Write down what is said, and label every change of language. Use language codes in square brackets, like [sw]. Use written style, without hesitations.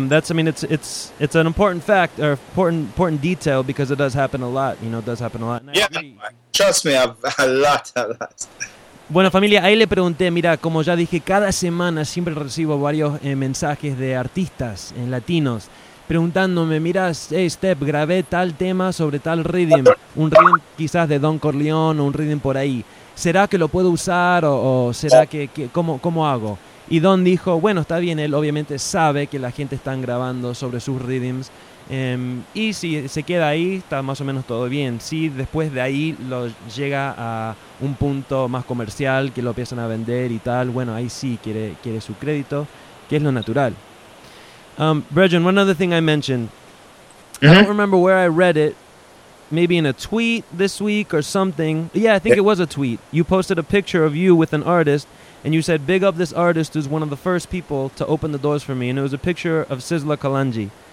[en] It's an important fact, or important detail, because it does happen a lot, you know, Yeah, trust me, a lot. [es] Bueno, familia, ahí le pregunté, mira, como ya dije, cada semana siempre recibo varios mensajes de artistas en latinos preguntándome, mira, hey, Step, grabé tal tema sobre tal rhythm, un rhythm quizás de Don Corleone o un rhythm por ahí. ¿Será que lo puedo usar o será que cómo hago? Y Don dijo, bueno, está bien, él obviamente sabe que la gente está grabando sobre sus rhythms. Y si se queda ahí, está más o menos todo bien. Sí, después de ahí lo llega a un punto más comercial, que lo empiezan a vender y tal. Bueno, ahí sí quiere su crédito, que es lo natural. [en] Brethren, one other thing I mentioned. Mm-hmm. I don't remember where I read it. Maybe in a tweet this week or something. Yeah, I think it was a tweet. You posted a picture of you with an artist, and you said, big up this artist who's one of the first people to open the doors for me. And it was a picture of Sizzla Kalanji.